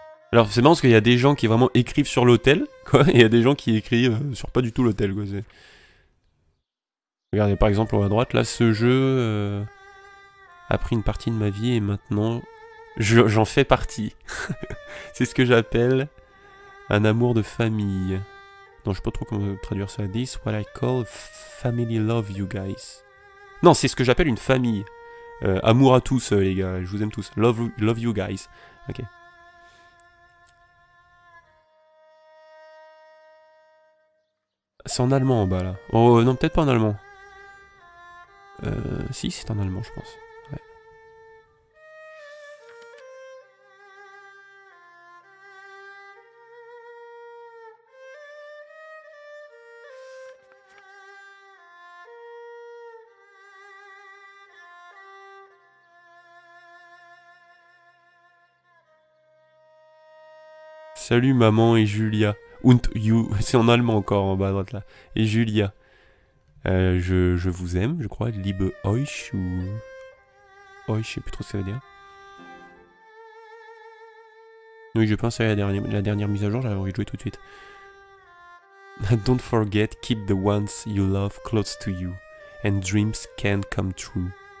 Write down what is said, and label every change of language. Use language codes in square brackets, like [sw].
[fr] Alors c'est marrant parce qu'il y a des gens qui vraiment écrivent sur l'hôtel, quoi, et il y a des gens qui écrivent sur pas du tout l'hôtel, quoi. C'est... Regardez par exemple à droite, là, ce jeu a pris une partie de ma vie et maintenant j'en fais partie. C'est ce que j'appelle un amour de famille. Non, je sais pas trop comment traduire ça. [en] This what I call family love you guys. [fr] Non, c'est ce que j'appelle une famille. Amour à tous, les gars, je vous aime tous. [en] Love you guys. Ok. [fr] C'est en allemand en bas là. Oh non, peut-être pas en allemand. Si, c'est en allemand, je pense. Ouais. Salut maman et Julia. Und you, c'est en allemand encore en bas à droite là. Et Julia, je vous aime, je crois. [de] Liebe euch, [fr] ou... Euch, je sais plus trop ce que ça veut dire. Oui, j'ai pensé à la dernière mise à jour, j'avais envie de jouer tout de suite. [en] Don't forget, keep the ones you love close to you, and dreams can come true.